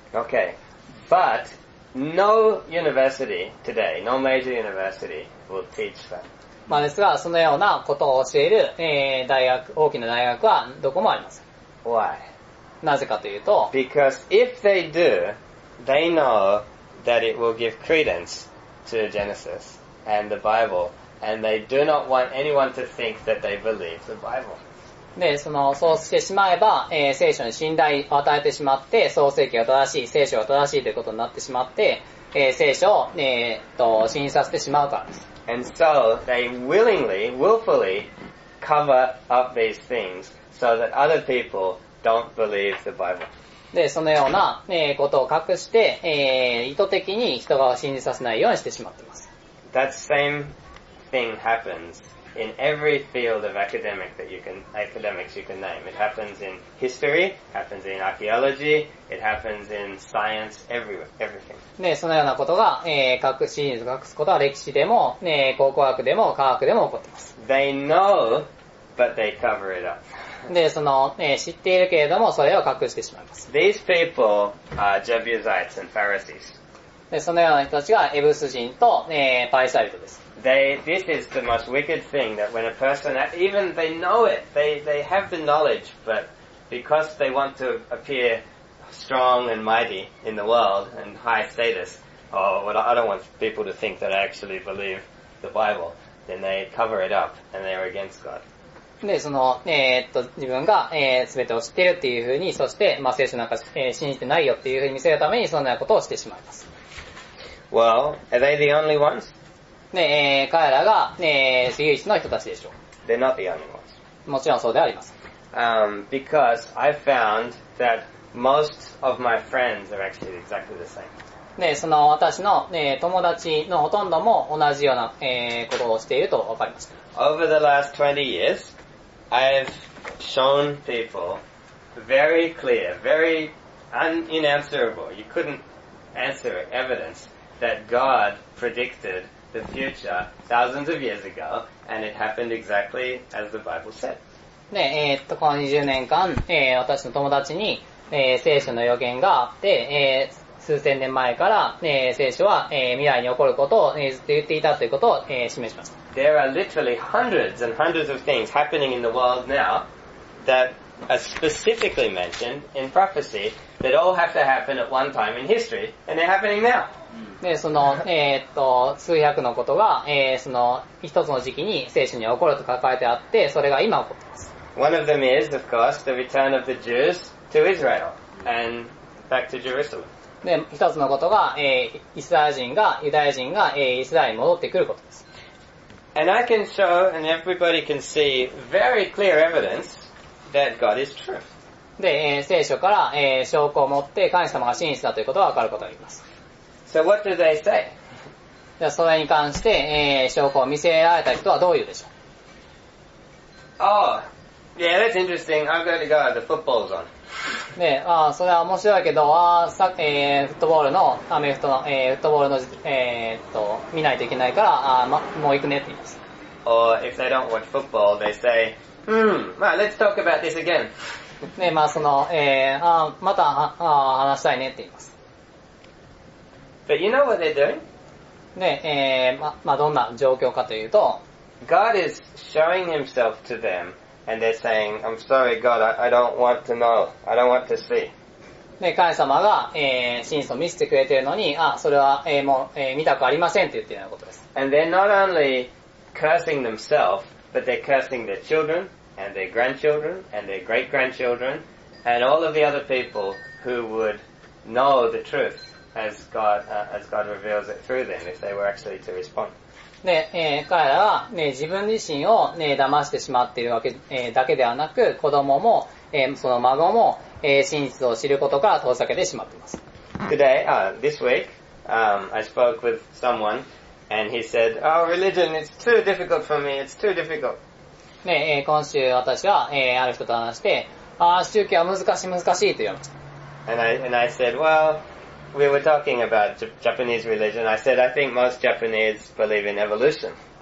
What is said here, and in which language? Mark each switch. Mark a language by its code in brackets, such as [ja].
[en] Okay. But, no university today, no major university will teach that. [ja] まあですが、そのようなことを教える、大学、大きな大学はどこもありません。 [en] Why? [ja] なぜかというと、 [en] Because if they do, they know that it will give credence to Genesis and the Bible, and they do not want anyone to think that they believe the Bible. [ja] で、その、そうしてしまえば、聖書に信頼を与えてしまって、創世記が正しい、聖書が正しいということになってしまって、聖書を、信じさせてしまうからです。 [en] And so, they willingly, willfully cover up these things so that other people don't believe the Bible. [ja] で、そのような、ことを隠して、意図的に人が信じさせないようにしてしまっています。 [en] That same thing happens in every field of academic that you can, academics you can name. It happens in history, happens in archaeology, it happens in science, everything. [ja] で、そのようなことが、隠すことは歴史でも、考古学でも科学でも起こっています。 [en] They know, but they cover it up. [ja] で、その、知っているけれども、それを隠してしまいます。 [en] These people are Jebusites and Pharisees. [ja] で、そのような人たちがエブス人と、パリサイ人です。 [en] This is the most wicked thing that when a person, even they know it, they have the knowledge, but because they want to appear strong and mighty in the world and high status, or what I don't want people to think that I actually believe the Bible, then they cover it up and they are against God. [ja] で、その、自分が、全てを知っているっていうふうに、そして、まあ、聖書なんか、信じてないよっていうふうに見せるために、そんなことをしてしまいます。 [en] Well, are they the only ones? [ja] で、彼らが、唯一の人たちでしょう。 [en] They're not the only ones. [ja] もちろんそうであります。 [en] Because I found that most of my friends are actually exactly the same. [ja] で、その、私の、友達のほとんども同じような、ことをしているとわかりました。 [en] Over the last 20 years, I have shown people very clear, very unanswerable, you couldn't answer it, evidence that God predicted the future thousands of years ago, and it happened exactly as the Bible said. [ja] で、この20年間、私の友達に、聖書の予言があって、数千年前から、聖書は、未来に起こることを、ずっと言っていたということを、示しました。 [en] There are literally hundreds and hundreds of things happening in the world now that are specifically mentioned in prophecy that all have to happen at one time in history, and they're happening now. [ja] で、その、数百のことが、その、一つの時期に聖書に起こると書かれてあって、それが今起こっています。 [en] One of them is, of course, the return of the Jews to Israel and back to Jerusalem. [ja] で、一つのことが、イスラエル人が、ユダヤ人が、イスラエルに戻ってくることです。 [en] And I can show, and everybody can see, very clear evidence that God is true. [ja] で、聖書から、証拠を持って神様が真実だということが分かることがあります。 [en] So what do they say? [ja] じゃあ、それに関して、証拠を見せられた人はどう言うでしょう? [en] Oh, yeah, that's interesting. I've got to go. The football's on. [ja] で、あ、それは面白いけど、あ、さ、フットボールの、アメフトの、フットボールの、見ないといけないから、あ、ま、もう行くねって言います。 [en] Or, if they don't watch football, they say, well, let's talk about this again. [ja] で、まあ、その、あ、また、あ、話したいねって言います。 [en] But you know what they're doing? [ja] で、まあ、どんな状況かというと、 [en] God is showing himself to them. And they're saying, I'm sorry, God, I don't want to know. I don't want to see. [ja] で、神様が、真実を見せてくれているのに、あ、それは、もう、見たくありませんって言っているようなことです。 [en] And they're not only cursing themselves, but they're cursing their children, and their grandchildren, and their great-grandchildren, and all of the other people who would know the truth as God reveals it through them if they were actually to respond. [ja] で、彼らは、ね、自分自身を、ね、騙してしまっているわけ、だけではなく、子供も、その孫も、真実を知ることから遠ざけてしまっています。 [en] Today, this week, I spoke with someone And he said, oh, religion, it's too difficult for me, it's too difficult. [ja] ね、今週私は、ある人と話して、ああ、宗教は難しい難しいと言うの。 [en] And I said, well, we were talking about Japanese religion. I said, I think most Japanese believe in evolution.